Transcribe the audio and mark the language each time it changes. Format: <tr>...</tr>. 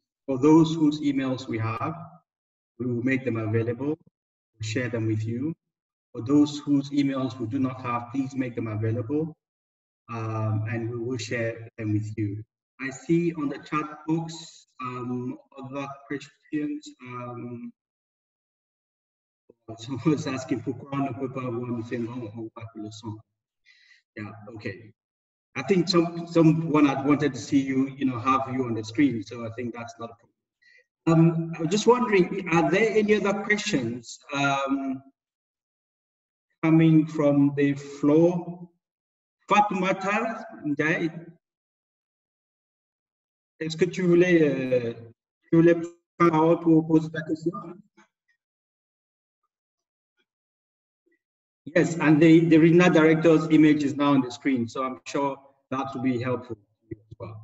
<en>For those whose emails we have, we will make them available, share them with you. For those whose emails we do not have, please make them available. And we will share them with you. I see on the chat box other questions. Someone's asking</en> <fr>pourquoi on ne peut pas avoir une fin en population.</fr> <en>Yeah, okay. I think someone had wanted to see you, you know, have you on the screen, so I think that's not a problem. I was just wondering, are there any other questions coming from the floor?</en> <fr>Fatoumata, est-ce que tu voulais prendre la parole pour poser ta question?</fr> <en>Yes, and the RINA director's image is now on the screen, so I'm sure that will be helpful as well.</en>